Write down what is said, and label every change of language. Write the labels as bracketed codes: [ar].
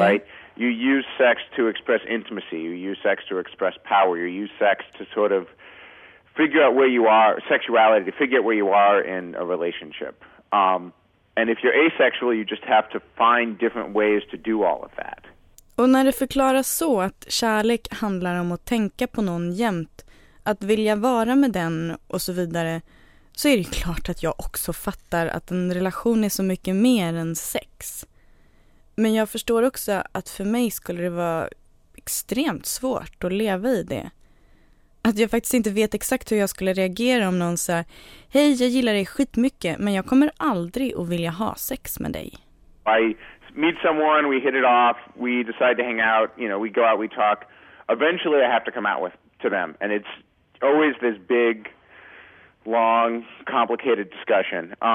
[en] Right? You use sex to express intimacy. You use sex to express power. You use sex to sort of figure out where you are, sexuality, to figure out where you are in a relationship. And if you're asexual, you just have to find different ways to do all of that. [sv] Och när det förklaras så att kärlek handlar om att tänka på någon jämt, att vilja vara med den och så vidare, så är det klart att jag också fattar att en relation är så mycket mer än sex. Men jag förstår också att för mig skulle det vara extremt svårt att leva i det. Att jag faktiskt inte vet exakt hur jag skulle reagera om någon sa: hej, jag gillar dig skitmycket, men jag kommer aldrig att vilja ha sex med dig. [en] I meet someone, we hit it off, we decide to hang out, you know, we go out, we talk. Eventually I have to come out with to them, and it's always this big, long, complicated discussion.